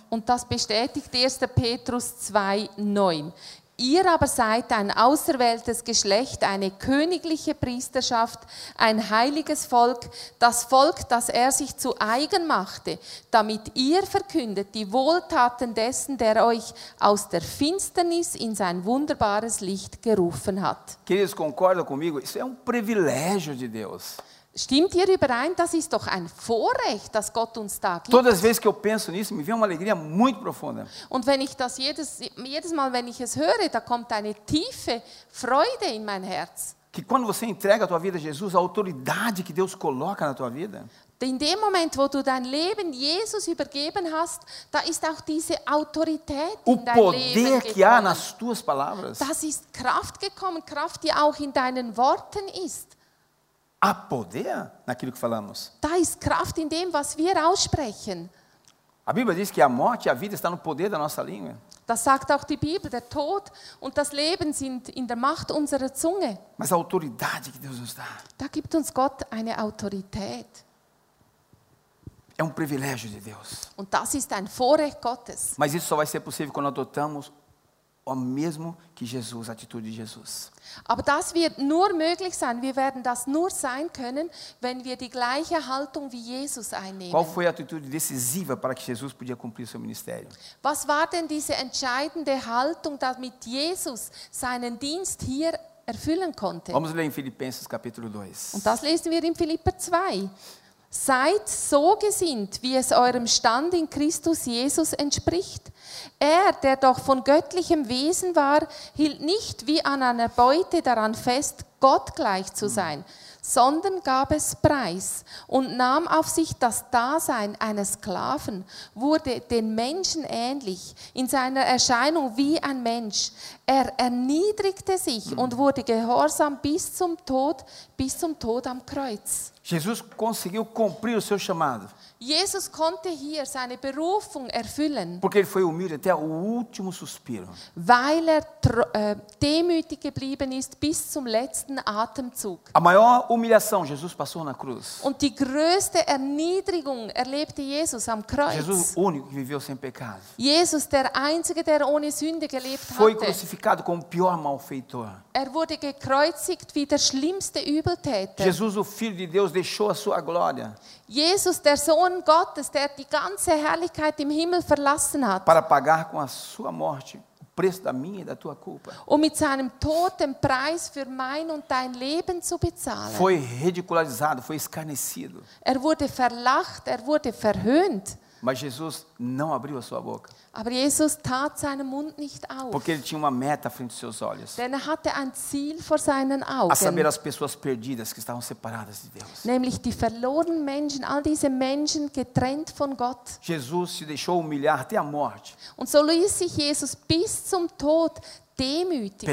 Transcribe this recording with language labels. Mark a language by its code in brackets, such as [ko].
[de] Und das bestätigt 1. Petrus 2, 9. Ihr aber seid ein auserwähltes Geschlecht, eine königliche Priesterschaft, ein heiliges Volk, das er sich zu eigen machte, damit ihr verkündet die Wohltaten dessen, der euch aus der Finsternis in sein wunderbares Licht gerufen hat. [pt] Queridos, concorda comigo? Isso é privilégio de Deus. [de] Stimmt ihr überein? Das ist doch ein Vorrecht, das Gott uns da gibt. [pt] Todas as vezes que eu penso nisso, me vem uma alegria muito profunda. [de] Und wenn ich das jedes Mal, wenn ich es höre, da kommt eine tiefe Freude in mein Herz. [pt] Que quando você entrega a tua vida a Jesus, a autoridade que Deus coloca na tua vida. [de] In dem Moment, wo du dein Leben Jesus übergeben hast, da ist auch diese Autorität [pt] o [de] in dein [pt] poder [de] Leben gekommen. [pt] Que há nas tuas palavras. [de] Das ist Kraft gekommen, Kraft, die auch in deinen Worten ist. [pt] Há poder naquilo que falamos. [de] Da ist Kraft in dem, was wir aussprechen. [pt] A Bíblia diz que a morte e a vida estão no poder da nossa língua. [de] Das sagt auch die Bibel, der Tod und das Leben sind in der Macht unserer Zunge. [pt] Mas a autoridade que Deus nos dá. [de] Da gibt uns Gott eine Autorität. [pt] É privilégio de Deus. [de] Und das ist ein Vorrecht Gottes. [pt] Mas isso só vai ser possível quando adotamos o mesmo que Jesus, a atitude de Jesus. [de] Aber das wird nur möglich sein, wir werden das nur sein können, wenn wir die gleiche Haltung wie Jesus einnehmen. [pt] Qual foi a atitude decisiva para que Jesus podia cumprir seu ministério? [de] Was war denn diese entscheidende Haltung, damit Jesus seinen Dienst hier erfüllen konnte? [pt] Vamos ler em Filipenses capítulo 2. [de] Und das lesen wir in Philipper 2. Seid so gesinnt, wie es eurem Stand in Christus Jesus entspricht. Er, der doch von göttlichem Wesen war, hielt nicht wie an einer Beute daran fest, Gott gleich zu sein, sondern gab es preis und nahm auf sich das Dasein eines Sklaven, wurde den Menschen ähnlich, in seiner Erscheinung wie ein Mensch. Er erniedrigte sich und wurde gehorsam bis zum Tod am Kreuz. [pt] Jesus conseguiu cumprir o seu chamado. [de] Jesus konnte hier seine Berufung erfüllen. [pt] Porque ele foi humilde até o último suspiro. [de] Weil er demütig geblieben ist bis zum letzten Atemzug. [pt] A maior humilhação Jesus passou na cruz. [de] Und die größte Erniedrigung erlebte Jesus am Kreuz. [pt] Jesus, o único que viveu sem pecado. [de] Jesus, der einzige, der ohne Sünde gelebt [pt] foi [de] hatte. [pt] Foi crucificado como o pior malfeitor. [de] Er wurde gekreuzigt wie der schlimmste Übeltäter. [pt] Jesus, o filho de Deus, deixou a sua glória. [de] Jesus, der Sohn Gottes, der die ganze Herrlichkeit im Himmel verlassen hat. [pt] Para pagar com a sua morte o preço da minha e da tua culpa. [de] Um mit seinem Tod den Preis für mein und dein Leben zu bezahlen. [pt] Foi ridicularizado, foi escarnecido. [de] Er wurde verlacht, er wurde verhöhnt. [pt] Mas Jesus não abriu a sua boca. [de] Aber Jesus tat seinen Mund nicht auf. [pt] Porque ele tinha uma meta frente aos seus olhos. [de] Denn er hatte ein Ziel vor seinen Augen. [pt] A saber, as pessoas perdidas que estavam separadas de Deus. [de] Nämlich die verlorenen Menschen, all diese Menschen getrennt von Gott. [pt] Jesus se deixou humilhar até a morte. [de] Und so ließ sich Jesus bis zum Tod demütigen.